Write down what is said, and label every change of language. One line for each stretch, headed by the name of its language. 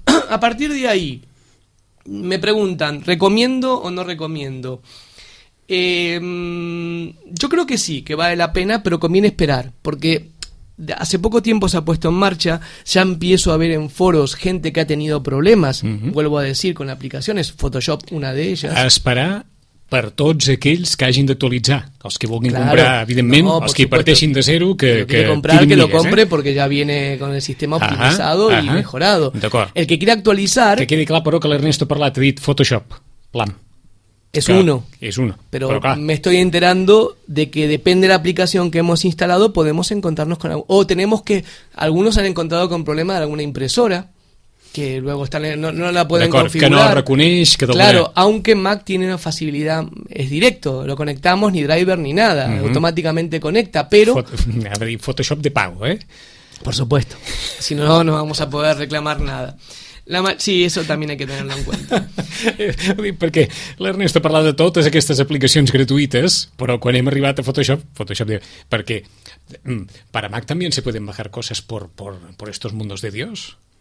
Spanish: A partir de ahí, me preguntan, ¿recomiendo o no recomiendo? Yo creo que sí, que vale la pena, pero conviene esperar, porque hace poco tiempo se ha puesto en marcha, ya empiezo a ver en foros gente que ha tenido problemas, vuelvo a decir, con aplicaciones, Photoshop una de ellas.
Catalan: Esperar per tots aquells que hagin d'actualitzar, els que vulguin comprar, evidentment, no, els que parteixin de zero, que
Spanish: comprar, que lo compre, porque ya viene con el sistema optimizado y mejorado.
Catalan: D'acord.
Spanish: El que quiera actualizar...
Catalan: Que quedi clar, però, que l'Ernesto ha parlat, ha dit Photoshop, plan.
Spanish: Es claro, uno. Es uno. Pero claro, me estoy enterando de que depende de la aplicación que hemos instalado, podemos encontrarnos con algo. O tenemos que... Algunos han encontrado con problemas de alguna impresora, que luego están no la pueden configurar.
Catalan: Que no reconeix, que
Spanish: claro, manera. Aunque Mac tiene una facilidad, es directo, lo conectamos, ni driver ni nada, automáticamente conecta, pero... Photoshop de pago, ¿eh? Por supuesto. Si no, no vamos a poder reclamar nada. Sí, eso también hay que tenerlo en cuenta.
Catalan: Porque l'Ernest ha parlat de totes aquestes aplicacions gratuïtes, però quan hem arribat a Photoshop...
Spanish: Perquè para Mac també se pueden bajar coses por estos mundos de Dios.